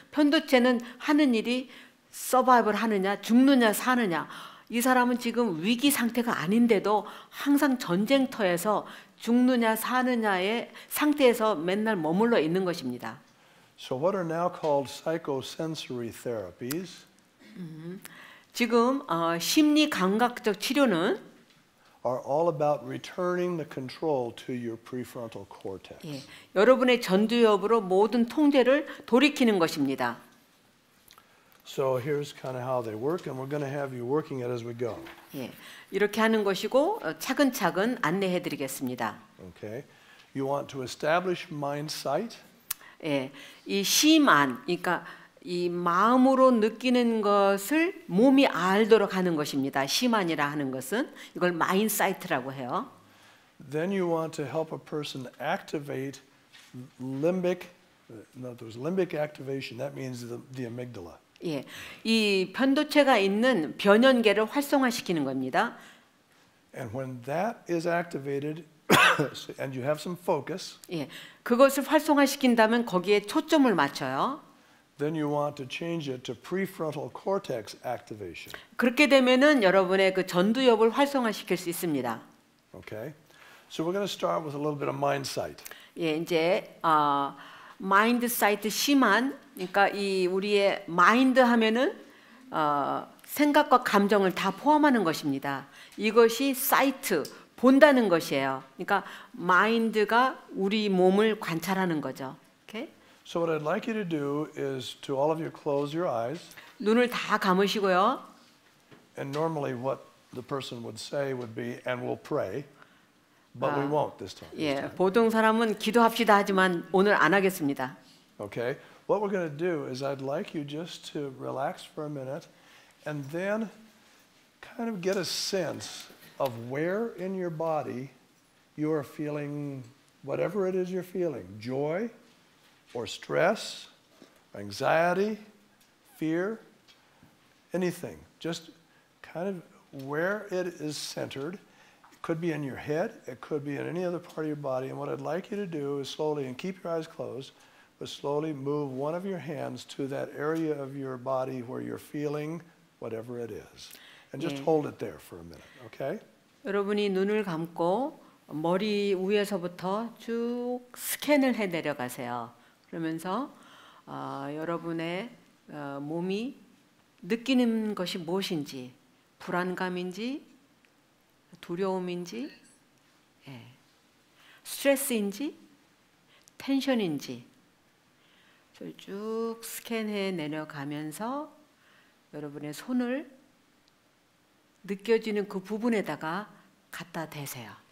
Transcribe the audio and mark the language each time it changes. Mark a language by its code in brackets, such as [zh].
[ko] 편도체는 하는 일이 서바이벌 하느냐, 죽느냐, 사느냐. 이 사람은 지금 위기 상태가 아닌데도 항상 전쟁터에서 죽느냐, 사느냐의 상태에서 맨날 머물러 있는 것입니다. [en] So what are now called psychosensory therapies? [ko] 지금 심리 감각적 치료는 [en] are all about returning the control to your prefrontal cortex. [ko] 예, 여러분의 전두엽으로 모든 통제를 돌이키는 것입니다. [en] So here's kind of how they work, and we're going to have you working it as we go. [ko] 예, 이렇게 하는 것이고 차근차근 안내해드리겠습니다. [en] Okay, you want to establish mindset. [ko] 예, 이 심안, 그러니까 이 마음으로 느끼는 것을 몸이 알도록 하는 것입니다. 심안이라 하는 것은 이걸 마인사이트라고 해요. [en] Then you want to help a person activate limbic, there's limbic activation. That means the amygdala. [ko] 예, 이 편도체가 있는 변연계를 활성화시키는 겁니다. [en] And when that is activated, and you have some focus. [ko] 예, 그것을 활성화시킨다면 거기에 초점을 맞춰요. [en] Then you want to change it to prefrontal cortex activation. [ko] 그렇게 되면은 여러분의 그 전두엽을 활성화시킬 수 있습니다. [en] Okay, so we're going to start with a little bit of mind sight. [ko] 예, 이제 [en] mind sight [ko] 심한, 그러니까 이 우리의 마인드 하면은 생각과 감정을 다 포함하는 것입니다. 이것이 sight 본다는 것이에요. 그러니까 마인드가 우리 몸을 관찰하는 거죠. [en] So what I'd like you to do is to all of you close your eyes. [ko] 눈을 다 감으시고요. [en] And normally what the person would say would be and we'll pray. But we won't this time. [ko] 예, 보통 사람은 기도합시다 하지만 오늘 안 하겠습니다. [en] Okay. What we're going to do is I'd like you just to relax for a minute and then kind of get a sense of where in your body you are feeling whatever it is you're feeling. Joy, or stress, anxiety, fear, anything. Just kind of where it is centered. It could be in your head, it could be in any other part of your body. And what I'd like you to do is slowly, and keep your eyes closed, but slowly move one of your hands to that area of your body where you're feeling whatever it is. And just hold it there for a minute, okay? [ko] 여러분이 눈을 감고 머리 위에서부터 쭉 스캔을 해 내려가세요. 그러면서 여러분의 몸이 느끼는 것이 무엇인지, 불안감인지, 두려움인지, 예, 스트레스인지, 텐션인지 쭉 스캔해 내려가면서 여러분의 손을 느껴지는 그 부분에다가 갖다 대세요.